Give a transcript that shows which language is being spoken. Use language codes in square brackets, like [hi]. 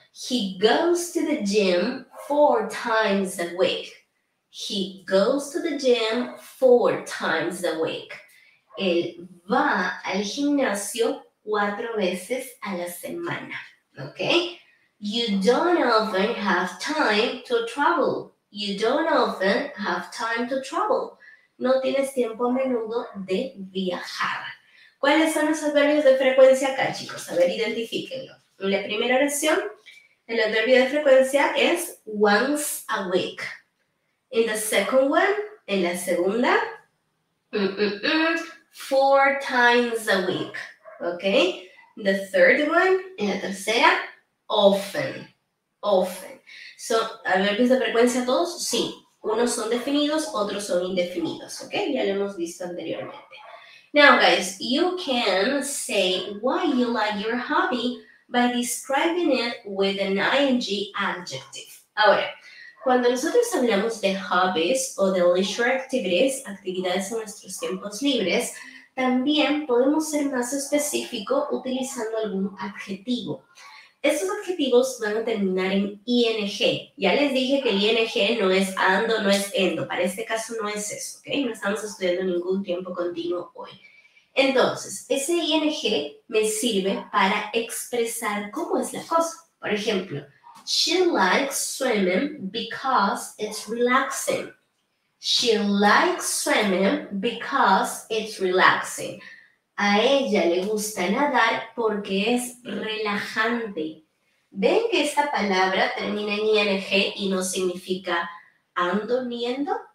[en] He goes to the gym 4 times a week. He goes to the gym 4 times a week. [es] Él va al gimnasio 4 veces a la semana. [en] Okay? You don't often have time to travel. You don't often have time to travel. [es] No tienes tiempo a menudo de viajar. ¿Cuáles son los adverbios de frecuencia acá, chicos? A ver, identifíquenlo. En la primera oración, el adverbio de frecuencia es once a week. [en] In the second one, [es] en la segunda, [en] four times a week. Okay? The third one, [es] en la tercera, [en] often. Often. [es] ¿Son adverbios de frecuencia todos? Sí. Unos son definidos, otros son indefinidos. ¿Ok? Ya lo hemos visto anteriormente. [en] Now, guys, you can say why you like your hobby by describing it with an ing adjective. [es] Ahora, cuando nosotros hablamos de hobbies o de leisure activities, actividades en nuestros tiempos libres, también podemos ser más específico utilizando algún adjetivo. Estos adjetivos van a terminar en ing. Ya les dije que el ing no es ando, no es endo. Para este caso no es eso, ¿ok? No estamos estudiando ningún tiempo continuo hoy. Entonces, ese ing me sirve para expresar cómo es la cosa. Por ejemplo, [en] she likes swimming because it's relaxing. She likes swimming because it's relaxing. [es] A ella le gusta nadar porque es relajante. ¿Ven que esta palabra termina en ing y no significa ando ni endo?